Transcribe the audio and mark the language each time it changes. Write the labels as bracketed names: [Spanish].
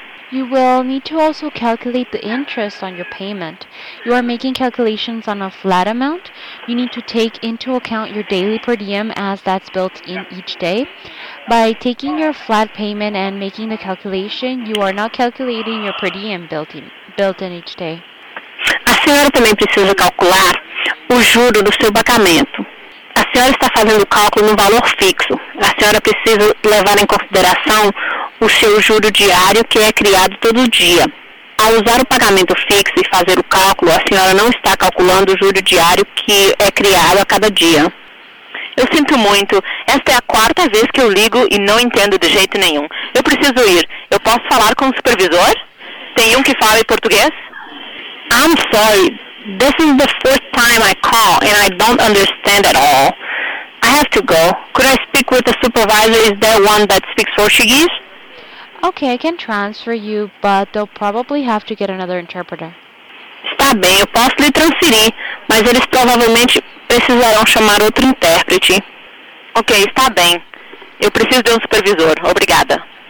[English] You will need to also calculate the interest on your payment. You are making calculations on a flat amount. You need to take into account your daily per diem as that's built in each day. By taking your flat payment and making the calculation, you are not calculating your per diem built in each day. [Portuguese] A senhora também precisa calcular o juro do seu pagamento. A senhora está fazendo o cálculo no valor fixo. A senhora precisa levar em consideração o seu juro diário que é criado todo dia. Ao usar o pagamento fixo e fazer o cálculo, a senhora não está calculando o juro diário que é criado a cada dia. Eu sinto muito. Esta é a quarta vez que eu ligo e não entendo de jeito nenhum. Eu preciso ir. Eu posso falar com o supervisor? Tem um que fala em português? [English] I'm sorry. This is the fourth time I call and I don't understand at all. I have to go. Could I speak with the supervisor? Is there one that speaks Portuguese? Okay, I can transfer you, but they'll probably have to get another interpreter. [Portuguese] Está bem, eu posso lhe transferir, mas eles provavelmente precisarão chamar outro intérprete. Ok, está bem. Eu preciso de um supervisor. Obrigada.